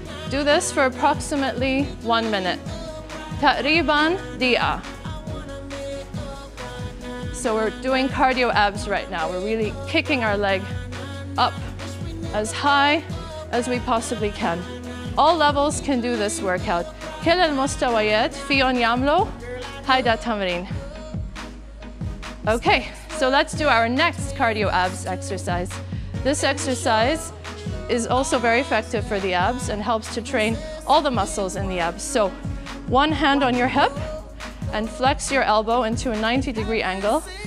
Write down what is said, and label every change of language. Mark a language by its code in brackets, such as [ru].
[en] Do this for approximately 1 minute. [ar] تقريباً دقيقة. [en] So we're doing cardio abs right now. We're really kicking our leg up as high as we possibly can. All levels can do this workout. [ar] كل المستويات فيهم يعملوا هيدا التمرين. [en] Okay. So let's do our next cardio abs exercise. This exercise is also very effective for the abs and helps to train all the muscles in the abs. So One hand on your hip and flex your elbow into a 90 degree angle.